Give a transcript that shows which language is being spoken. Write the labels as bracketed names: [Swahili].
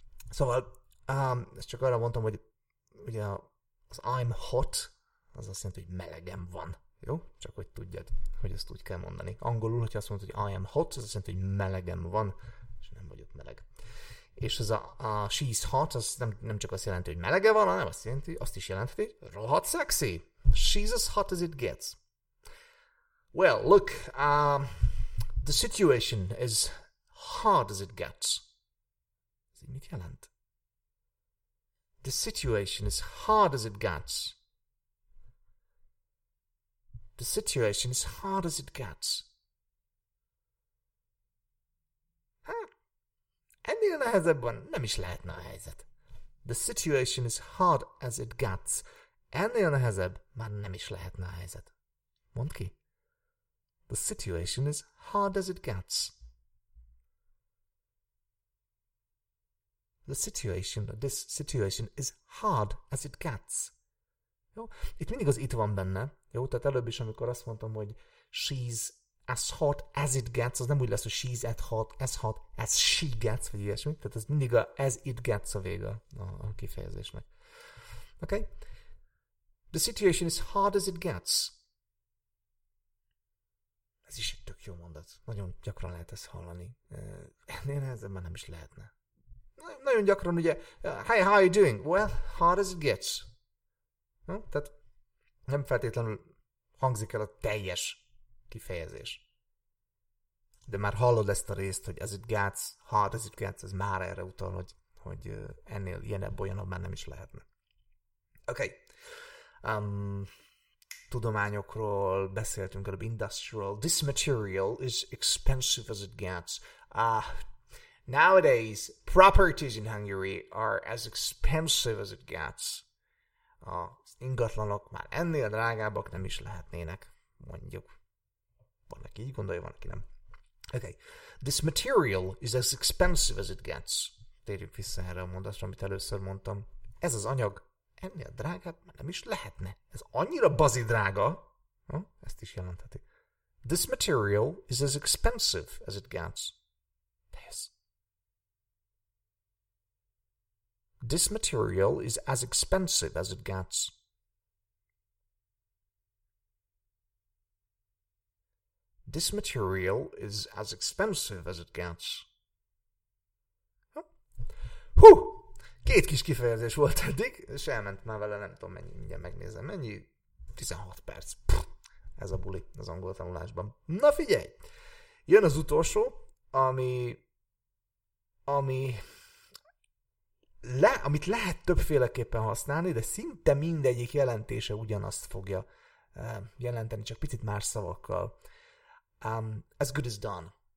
[Hungarian] Szóval, ezt csak arra mondtam, hogy ugye az [English] I'm hot, [Hungarian] az azt jelenti, hogy melegem van, jó? Csak hogy tudjad, hogy ezt úgy kell mondani. Angolul, hogyha azt mondod, hogy [English] I am hot, [Hungarian] az azt jelenti, hogy melegem van, és nem vagyok meleg. És ez a [English] she's hot, [Hungarian] az nem csak azt jelenti, hogy melege van, hanem azt is jelenti, hogy rohadt sexy. [English] She's as hot as it gets. Well, look, the situation is hard as it gets. [Hungarian] Ez mit jelent? [English] The situation is hard as it gets. The situation is hard as it gets. [Hungarian] Ennél nehezebb van, nem is lehetne a helyzet. [English] The situation is hard as it gets. [Hungarian] Ennél nehezebb már nem is lehetne a helyzet. Mondd ki. [English] The situation is hard as it gets. This situation is hard as it gets. [Hungarian] Jó? Itt mindig az itt van benne. Jó? Tehát előbb is, amikor azt mondtam, hogy [English] she's as hot as it gets, [Hungarian] az nem úgy lesz, hogy [English] she's as hot as she gets, [Hungarian] vagy ilyesmi, tehát ez mindig a [English] as it gets [Hungarian] a vége a kifejezésnek. [English] Okay? The situation is hard as it gets. [Hungarian] Ez is jó mondat. Nagyon gyakran lehet ezt hallani. Ennél nehezebb már nem is lehetne. Nagyon gyakran ugye, [English] hey, how are you doing? Well, hard as it gets. [Hungarian] Tehát nem feltétlenül hangzik el a teljes kifejezés. De már hallod ezt a részt, hogy [English] as it gets, hard as it gets, [Hungarian] ez már erre utal, hogy ennél ilyenebb, olyanabb már nem is lehetne. [English] Okay. [Hungarian] Tudományokról beszéltünk előbb. [English] Industrial. This material is expensive as it gets. Nowadays, properties in Hungary are as expensive as it gets. [Hungarian] Az ingatlanok már ennél drágábbak nem is lehetnének, mondjuk. Van, aki így gondolja, van, aki nem. [English] Okay. This material is as expensive as it gets. [Hungarian] Térjük vissza erre a mondatra, amit először mondtam. Ez az anyag ennél drágább már nem is lehetne. Ez annyira bazi drága. Ezt is jelentheti. [English] This material is as expensive as it gets. Tehez. This material is as expensive as it gets. This material is as expensive as it gets. Hú! [Hungarian] Két kis kifejezés volt eddig, és elment már vele, nem tudom mennyi, mindjárt megnézem, mennyi? 16 perc. Puh, ez a buli az angol tanulásban. Na figyelj! Jön az utolsó, amit lehet többféleképpen használni, de szinte mindegyik jelentése ugyanazt fogja jelenteni, csak picit más szavakkal. [English] As good as done.